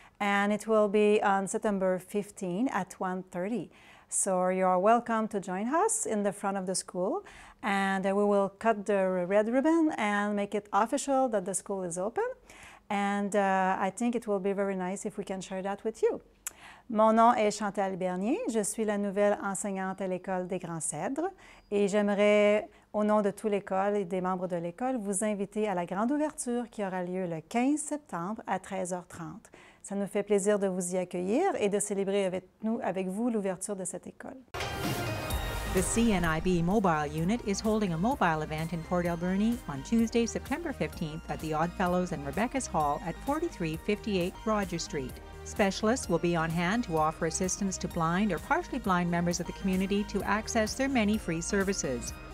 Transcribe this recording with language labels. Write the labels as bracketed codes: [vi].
[en] And it will be on September 15 at 1:30. So you are welcome to join us in the front of the school. And we will cut the red ribbon and make it official that the school is open. And I think it will be very nice if we can share that with you. [fr] Mon nom est Chantal Bernier. Je suis la nouvelle enseignante à l'École des Grands Cèdres. Et j'aimerais, au nom de toute l'école et des membres de l'école, vous inviter à la grande ouverture qui aura lieu le 15 septembre à 13h30. Ça nous fait plaisir de vous y accueillir et de célébrer avec vous l'ouverture de cette école. [en] The CNIB Mobile Unit is holding a mobile event in Port Alberni on Tuesday, September 15th at the Odd Fellows and Rebecca's Hall at 4358 Roger Street. Specialists will be on hand to offer assistance to blind or partially blind members of the community to access their many free services.